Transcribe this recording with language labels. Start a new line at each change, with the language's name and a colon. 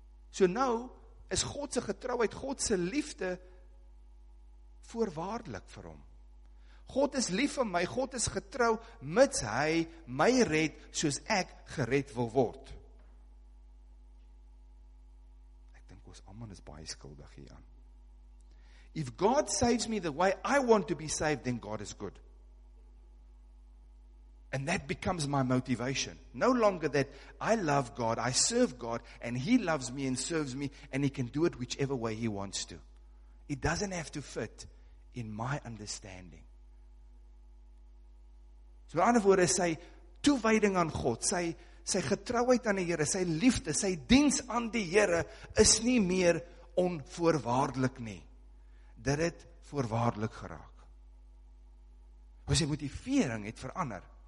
Afrikaans: So nou, is God se getrouheid, God se liefde, voorwaardelik vir hom. God is lief vir my, God is getrou, mits hy my red, soos ek gered wil word. Ek dink ons almal is baie skuldig hieraan.
English: If God saves me the way I want to be saved, then God is good. And that becomes my motivation. No longer that I love God, I serve God, and he loves me and serves me, and he can do it whichever way he wants to. It doesn't have to fit in my understanding.
Afrikaans: So in ander woorde, sy toewyding aan God, sy getrouheid aan die Here, sy liefde, sy diens aan die Here is nie meer onvoorwaardelik nie. Dit het voorwaardelik geraak. Maar sy motivering het verander.